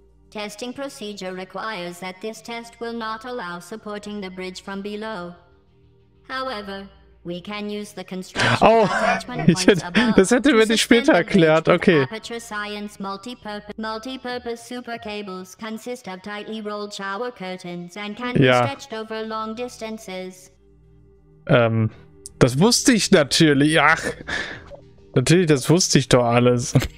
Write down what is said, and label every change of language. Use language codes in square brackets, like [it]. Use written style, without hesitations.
[en] Testing procedure requires that this test will not allow supporting the bridge from below. However, we can use the construction attachment points above. [de] Das hätte mir nicht später erklärt, okay. [en] Aperture Science multi-purpose super cables consist of tightly rolled shower curtains and can be stretched over long distances. [de] Das wusste ich natürlich. Ach, natürlich, das wusste ich doch alles.